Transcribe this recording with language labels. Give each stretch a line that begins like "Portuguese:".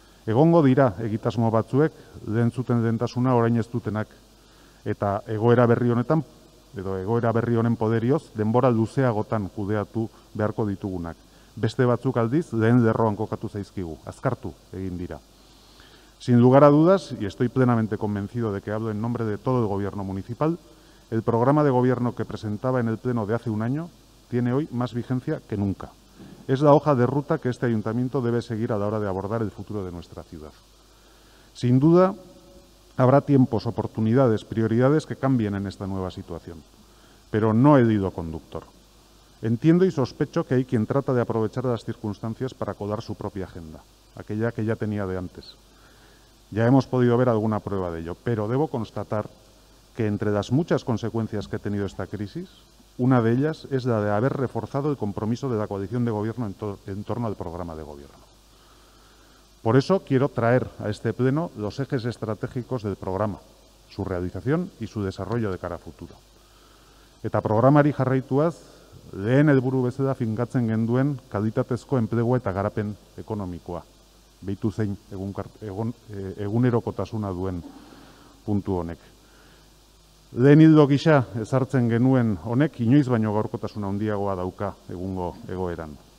Basque: Egongo dira egitasmo batzuek lehen zuten lehentasuna orain ez dutenak eta egoera berri honetan edo egoera berri honen poderioz denbora luzeagotan kudeatu beharko ditugunak. Beste batzuk aldiz lehen lerroan kokatu zaizkigu, azkartu egin dira.
Spanish: Sin lugar a dudas, y estoy plenamente convencido de que hablo en nombre de todo el gobierno municipal, el programa de gobierno que presentaba en el pleno de hace un año tiene hoy más vigencia que nunca. Es la hoja de ruta que este ayuntamiento debe seguir a la hora de abordar el futuro de nuestra ciudad. Sin duda, habrá tiempos, oportunidades, prioridades que cambien en esta nueva situación. Pero no he ido conductor. Entiendo y sospecho que hay quien trata de aprovechar las circunstancias para colar su propia agenda, aquella que ya tenía de antes. Ya hemos podido ver alguna prueba de ello, pero debo constatar que entre las muchas consecuencias que ha tenido esta crisis, una de ellas es la de haber reforzado el compromiso de la coalición de gobierno en torno al programa de gobierno. Por eso quiero traer a este pleno los ejes estratégicos del programa, su realización y su desarrollo de cara a futuro.
Basque: Eta programari jarraituaz, lehen helburu bezala finkatzen genduen kalitatezko enplegua eta garapen ekonomikoa. Beitu zein egunerokotasuna duen puntu honek. Lehen hildo gisa ezartzen genuen honek inoiz baino gaurkotasuna handiagoa dauka egungo egoeran.